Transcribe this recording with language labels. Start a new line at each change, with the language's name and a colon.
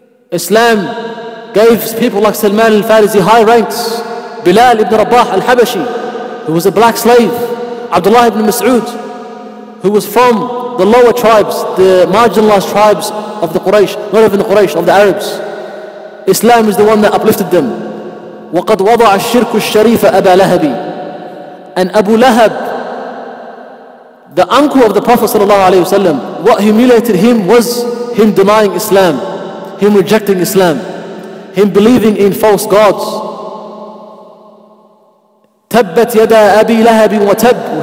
English: Islam gave people like Salman al-Farisi high ranks. Bilal ibn Rabah al-Habashi, who was a black slave. Abdullah ibn Mas'ud, who was from the lower tribes, the marginalized tribes of the Quraysh, not even the Quraysh, of the Arabs. Islam is the one that uplifted them.
Arabic: وَقَدْ وَضَعَ الشِّرْكُ الشَّرِيفَ أَبَا لَهَبِ.
English: And Abu Lahab, the uncle of the Prophet
Arabic: sallallahu alaihi wasallam,
English: what humiliated him was him denying Islam, him rejecting Islam, him believing in false gods.
Arabic: تَبَّتْ يَدَى أَبِي لَهَبٍ وَتَبْ.